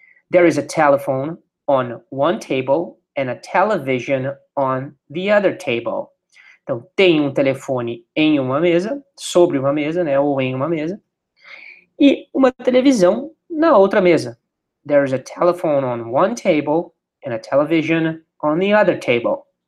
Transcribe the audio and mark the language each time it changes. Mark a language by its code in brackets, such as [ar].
[en] There is a telephone on one table and a television on the other table. [pt] Então, tem um telefone em uma mesa, sobre uma mesa, né, ou em uma mesa, e uma televisão na outra mesa. [en] There is a telephone on one table and a television on the other table.